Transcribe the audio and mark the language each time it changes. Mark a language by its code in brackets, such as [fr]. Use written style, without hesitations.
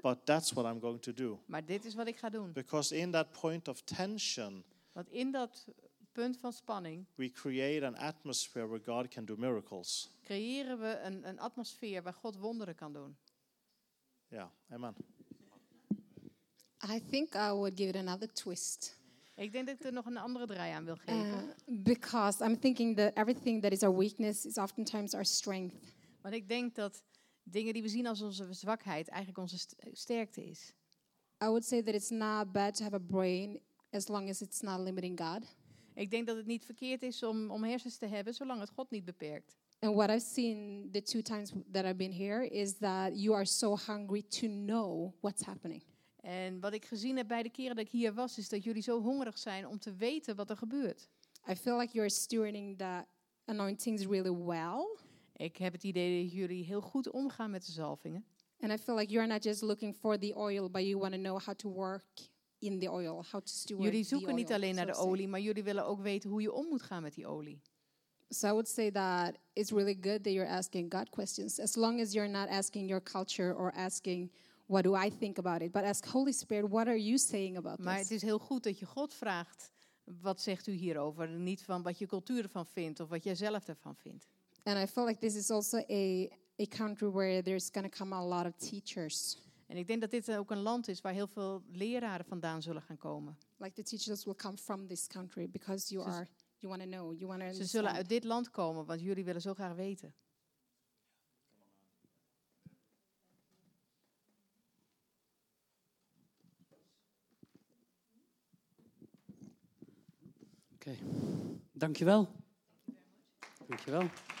[en] But that's what I'm going to do. [nl] Maar dit is wat ik ga doen. [en] Because in that point of tension. [nl] Want in dat punt van spanning. [en] We create an atmosphere where God can do miracles. [nl] Creëren we een atmosfeer waar God wonderen kan doen. Ja, yeah, amen. [en] I think I would give it another twist. [nl] Ik denk dat ik er nog een andere draai aan wil geven. [en] Because I'm thinking that everything that is our weakness is oftentimes our strength. [nl] Want ik denk dat dingen die we zien als onze zwakheid eigenlijk onze sterkte is. [en] I would say that it's not bad to have a brain as long as it's not limiting God. [nl] Ik denk dat het niet verkeerd is om hersens te hebben zolang het God niet beperkt. [en] And what I've seen the two times that I've been here is that you are so hungry to know what's happening. [nl] En wat ik gezien heb bij de keren dat ik hier was, is dat jullie zo hongerig zijn om te weten wat er gebeurt. [en] I feel like you're stewarding the anointings really well. [nl] Ik heb het idee dat jullie heel goed omgaan met de zalvingen. [en] And I feel like you're not just looking for the oil, but you want to know how to work in the oil, how to steward the oil. [nl] Jullie zoeken niet alleen naar de olie, maar jullie willen ook weten hoe je om moet gaan met die olie. [en] So I would say that it's really good that you're asking God questions, as long as you're not asking your culture or asking what do I think about it? But ask Holy Spirit, what are you saying about this? [nl] Maar het is heel goed dat je God vraagt, wat zegt u hierover? Niet van wat je cultuur ervan vindt of wat jij zelf ervan vindt. [en] And I feel like this is also a country where there's going to come a lot of teachers. [nl] En ik denk dat dit ook een land is waar heel veel leraren vandaan zullen gaan komen. [en] Like the teachers will come from this country because you want to know, you want to understand. [nl] Ze zullen uit dit land komen, want jullie willen zo graag weten. Oké, dankjewel. Dankjewel.